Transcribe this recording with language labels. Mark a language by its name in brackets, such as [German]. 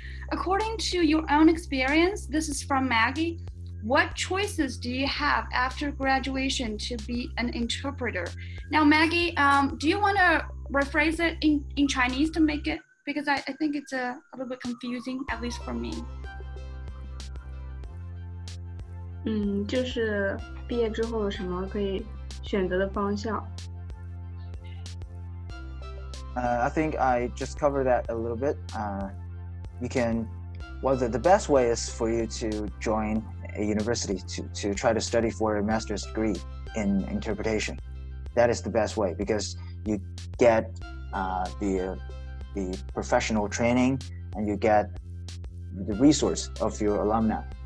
[English] According to your own experience, this is from Maggie. What choices do you have after graduation to be an interpreter? Now, Maggie, do you want to rephrase it in Chinese to make it? Because I think it's a little bit confusing, at least for me. [Chinese] 就是毕业之后有什么可以选择的方向。 [English] I think I just covered that a little bit. You can, well, the best way is for you to join a university to try to study for a master's degree in interpretation. That is the best way because you get the professional training and you get the resource of your alumni.